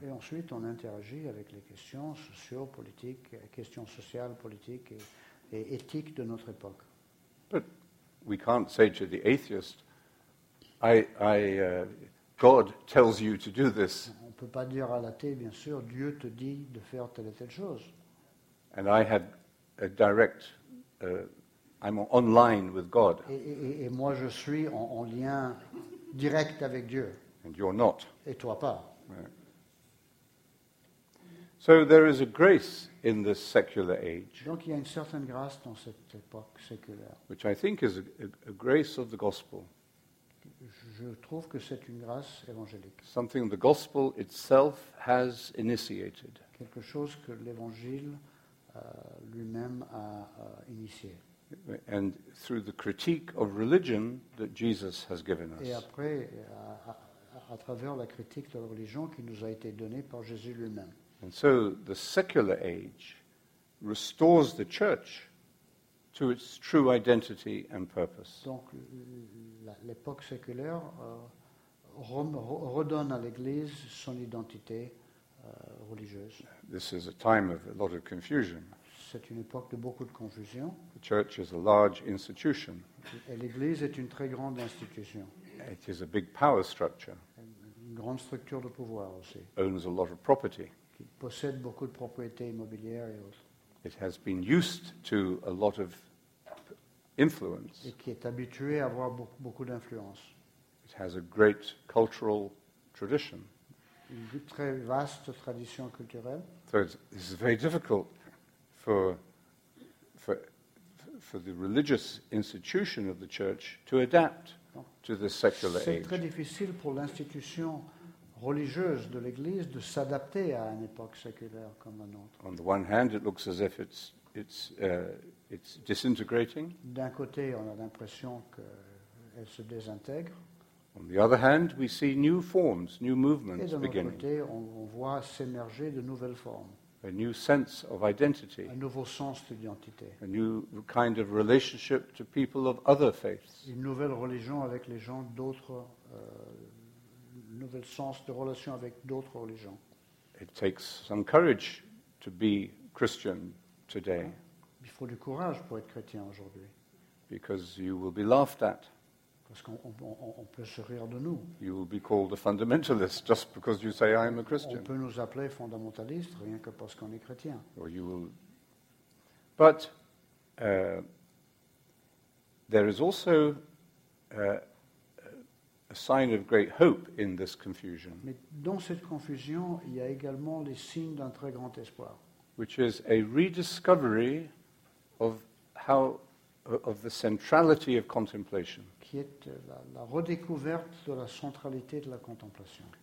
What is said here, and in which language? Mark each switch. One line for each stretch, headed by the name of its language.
French: Et ensuite on interagit avec les questions socio-politiques, questions sociales, politiques et éthiques de notre époque.
English: But we can't say to the atheist, God tells you to do this.
French: On peut pas dire à l'athée, bien sûr, Dieu te dit de faire telle et telle chose.
English: And I have a direct, I'm online with God.
French: Et moi je suis en lien direct avec Dieu.
English: And you're not.
French: Et toi pas.
English: Right. So there is a grace in this secular age.
French: Donc il y a une certaine grâce dans cette époque séculaire.
English: Which I think is a grace of the gospel.
French: Je trouve que c'est une grâce évangélique.
English: Something the gospel itself has initiated.
French: Quelque chose que l'évangile lui-même a initié.
English: And through the critique of religion that Jesus has given us.
French: Et après, à travers la critique de la religion qui nous a été donnée par Jésus lui-même.
English: And so the secular age restores the church to its true identity and purpose.
French: Donc l'époque séculaire redonne à l'Église son identité religieuse.
English: This is a time of a lot of confusion.
French: C'est une époque de beaucoup de confusion.
English: The church is a large institution.
French: Et l'Église est une très grande institution.
English: It is a big power structure.
French: Une grande structure de pouvoir aussi.
English: Owns a lot of property.
French: Qui possède beaucoup de propriétés immobilières et autres.
English: It has been used to a lot of influence.
French: Et qui est habitué à avoir beaucoup d'influence.
English: It has a great cultural tradition.
French: Une très vaste tradition culturelle.
English: So it's very difficult for the religious institution of the church to adapt to the secular age.
French: C'est très difficile pour l'institution religieuse de l'Église de s'adapter à une époque séculaire comme la nôtre.
English: On the one hand, it looks as if it's disintegrating.
French: D'un côté, on a l'impression qu'elle se désintègre.
English: On the other hand, we see new forms, new movements beginning.
French: Et d'un autre côté, on voit s'émerger de nouvelles formes.
English: A new sense of identity.
French: Un nouveau sens d'identité.
English: A new kind of relationship to people of other faiths.
French: Une nouvelle religion avec les gens d'autres. Nouvel sens de relation avec d'autres religions.
English: It takes some courage to be Christian today.
French: Il faut du courage pour être chrétien aujourd'hui.
English: Because you will be laughed at.
French: Parce qu'on peut se rire de nous.
English: You will be called a fundamentalist just because you say I am a Christian.
French: On peut nous appeler fundamentaliste rien que parce qu'on est chrétien.
English: Or you will. But there is also a sign of great hope in this confusion.
French: Mais dans cette confusion, il y a également les signes d'un très grand espoir.
English: Which is a rediscovery of how of the centrality of contemplation.
French: Qui est la redécouverte de la centralité de la contemplation.